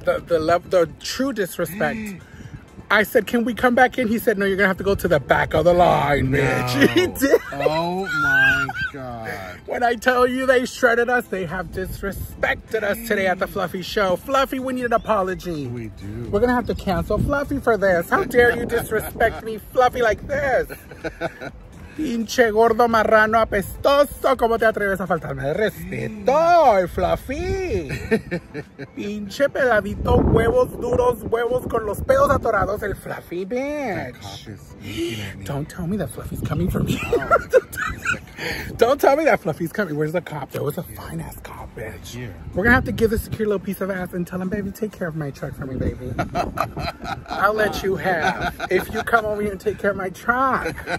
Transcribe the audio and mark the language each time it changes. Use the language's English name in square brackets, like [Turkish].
[English] What? The true disrespect. I said, can we come back in? He said, no, you're going to have to go to the back of the line, bitch. No. He did. Oh, my God. When I tell you they shredded us, they have disrespected us today at the Fluffy Show. Fluffy, we need an apology. We do. We're going to have to cancel Fluffy for this. How dare you disrespect me, Fluffy, like this? [Spanish] Pinche gordo marrano apestoso, ¿cómo te atreves a faltarme de respeto, Fluffy? Pinche peladito, huevos duros, huevos con los pedos atorados, el Fluffy bitch. [English] Don't tell me that Fluffy's coming for me. Don't tell me that Fluffy's coming. Where's the cop? There was a fine ass cop, bitch. We're gonna have to give the secure little piece of ass and tell him, baby, take care of my truck for me, baby. I'll let you have if you come over here and take care of my truck.